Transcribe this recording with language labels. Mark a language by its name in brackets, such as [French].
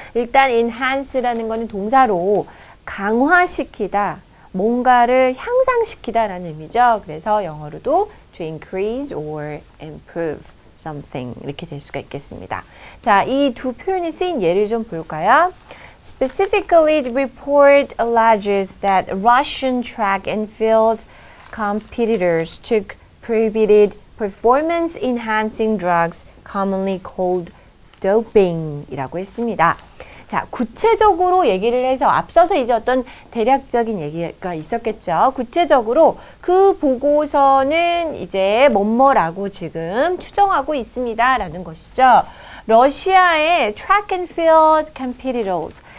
[Korean] 일단 enhance라는 거는 동사로 강화시키다, 뭔가를 향상시키다라는 의미죠. 그래서 영어로도 [English] to increase or improve something [Korean] 이렇게 될 수가 있겠습니다. 자, 이 두 표현이 쓰인 예를 좀 볼까요? [English] Specifically, the report alleges that Russian track and field competitors took prohibited performance-enhancing drugs, commonly called doping이라고 [Korean] 했습니다. 자, 구체적으로 얘기를 해서 앞서서 이제 어떤 대략적인 얘기가 있었겠죠. 구체적으로 그 보고서는 이제 뭐뭐라고 지금 추정하고 있습니다라는 것이죠. [English] 러시아의 track and field competitors.